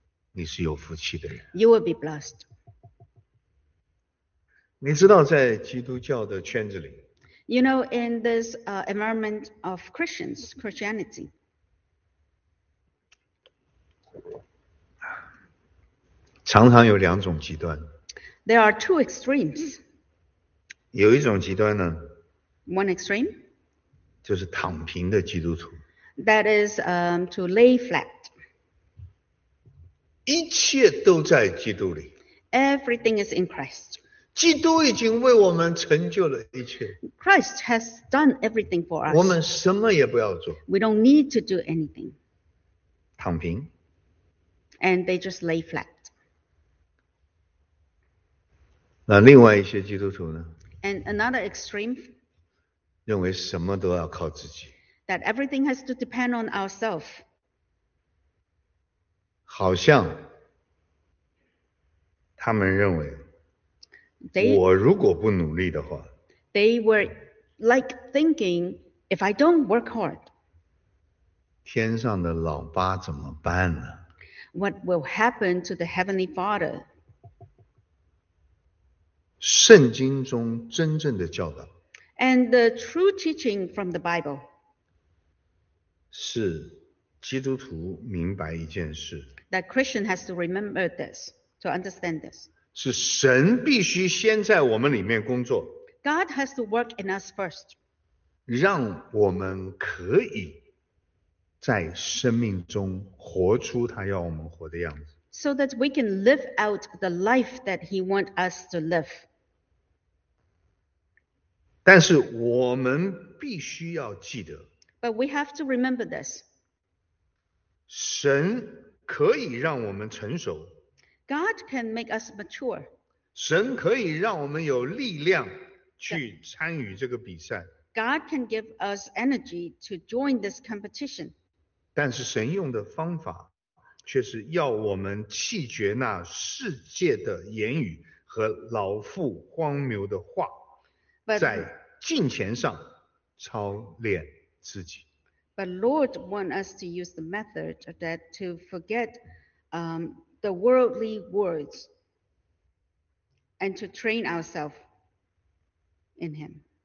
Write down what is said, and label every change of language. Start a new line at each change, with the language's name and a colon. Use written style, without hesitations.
Chinese: 你是有福气的人。
English: You will be blessed.
Chinese: 你知道在基督教的圈子里。
English: You know, in this environment of Christians, Christianity.
Chinese: 常常有两种极端。
English: There are two extremes.
Chinese: 有一种极端呢。
English: One extreme.
Chinese: 就是躺平的基督徒。
English: That is to lay flat.
Chinese: 一切都在基督里。
English: Everything is in Christ.
Chinese: 基督已经为我们成就了一切。
English: Christ has done everything for us.
Chinese: 我们什么也不要做。
English: We don't need to do anything.
Chinese: 躺平。
English: And they just lay flat.
Chinese: 那另外一些基督徒呢
English: ？And another extreme，
Chinese: 认为什么都要靠自己。
English: That everything has to depend on ourselves。
Chinese: 好像他们认为，
English: they,
Chinese: 我如果不努力的话
English: ，They were like thinking if I don't work hard，
Chinese: 天上的老爸怎么办呢
English: ？What will happen to the heavenly father？
Chinese: 圣经中真正的教导
English: ，and the true teaching from the Bible，
Chinese: 是基督徒明白一件事。
English: That Christian has to remember this to understand this。
Chinese: 是神必须先在我们里面工作。
English: God has to work in us first。
Chinese: 让我们可以在生命中活出他要我们活的样子。
English: So that we can live out the life that He wants us to live。
Chinese: 但是我们必须要记得
English: ，But we have to remember this.
Chinese: 神可以让我们成熟
English: ，God can make us mature.
Chinese: 神可以让我们有力量去参与这个比赛
English: ，God can give us energy to join this competition.
Chinese: 但是神用的方法却是要我们弃绝那世界的言语和老父荒谬的话。在敬虔上操练自己。
English: But Lord wants us to use the method that to forget the worldly words and to train ourselves in Him.